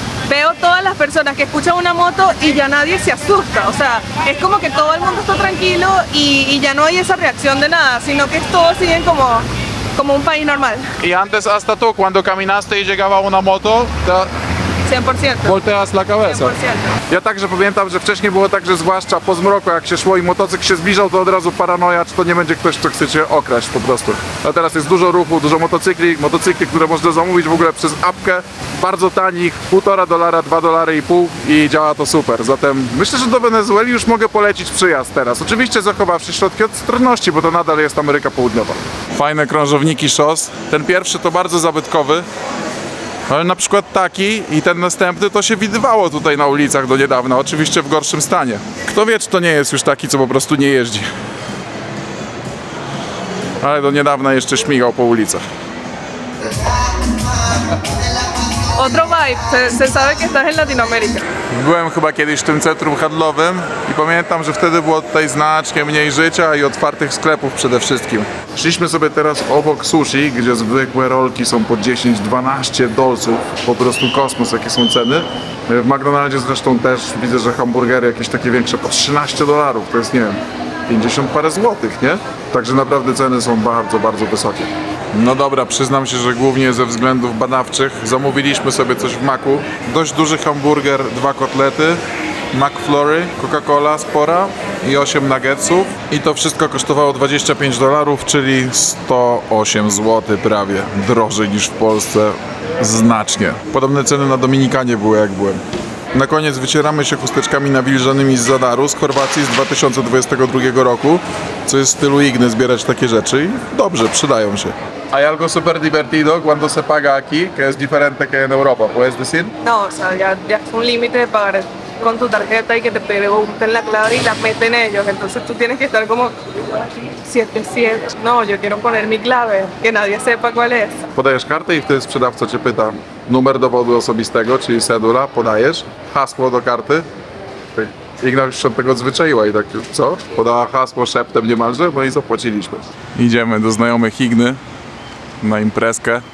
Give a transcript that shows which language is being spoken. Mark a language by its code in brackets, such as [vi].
[es] Veo todas las personas que escuchan una moto y ya nadie se asusta. O sea, es como que todo el mundo está tranquilo y ya no hay esa reacción de nada, sino que todos siguen como un país normal. ¿Y antes hasta tú, cuando caminaste y llegaba una moto? 100%. Volteas la cabeza. 100%. [pl] Ja także pamiętam, że wcześniej było tak, że zwłaszcza po zmroku, jak się szło i motocykl się zbliżał, to od razu paranoja, czy to nie będzie ktoś, kto chce cię okraść po prostu. A teraz jest dużo ruchu, dużo motocykli, które można zamówić w ogóle przez apkę. Bardzo tanich, $1.5, $2.5 i działa to super. Zatem myślę, że do Wenezueli już mogę polecić przyjazd teraz. Oczywiście zachowawszy środki ostrożności, bo to nadal jest Ameryka Południowa. Fajne krążowniki szos. Ten pierwszy to bardzo zabytkowy. Ale na przykład taki i ten następny to się widywało tutaj na ulicach do niedawna, oczywiście w gorszym stanie. Kto wie, czy to nie jest już taki, co po prostu nie jeździ. Ale do niedawna jeszcze śmigał po ulicach. [es] otro vibe, se sabe que estás en Latinoamérica. [pl] Byłem chyba kiedyś w tym centrum handlowym i pamiętam, że wtedy było tutaj znacznie mniej życia i otwartych sklepów przede wszystkim. Szliśmy sobie teraz obok sushi, gdzie zwykłe rolki są po 10-12 dolców, po prostu kosmos, jakie są ceny. W McDonaldzie zresztą też widzę, że hamburgery jakieś takie większe po 13 dolarów, to jest, nie wiem, 50 parę złotych, nie? Także naprawdę ceny są bardzo, bardzo wysokie. No dobra, przyznam się, że głównie ze względów badawczych zamówiliśmy sobie coś w Macu. Dość duży hamburger, dwa kotlety, McFlurry, Coca-Cola spora i 8 nuggetsów. I to wszystko kosztowało 25 dolarów, czyli 108 zł prawie. Drożej niż w Polsce, znacznie. Podobne ceny na Dominikanie były, jak byłem. Na koniec wycieramy się chusteczkami nawilżanymi z Zadaru, z Chorwacji z 2022 roku, co jest w stylu Igny zbierać takie rzeczy i dobrze, przydają się. [es] ¿Hay algo super divertido cuando se paga aquí, que es diferente que en Europa, puedes decir? No, o sea, ya es un límite de pagar con tu tarjeta y que te pregunten la clave y la meten ellos. Entonces tú tienes que estar como 7-7. No, yo quiero poner mi clave, que nadie sepa cuál es. [pl] Podajesz kartę i wtedy sprzedawca cię pyta. Numer dowodu osobistego, czyli cedula, podajesz. Hasło do karty. Igna już się od tego odzwyczaiła i tak, co? Podała hasło szeptem niemalże, no i zapłaciliśmy. Idziemy do znajomych Igny. Na imprezkę.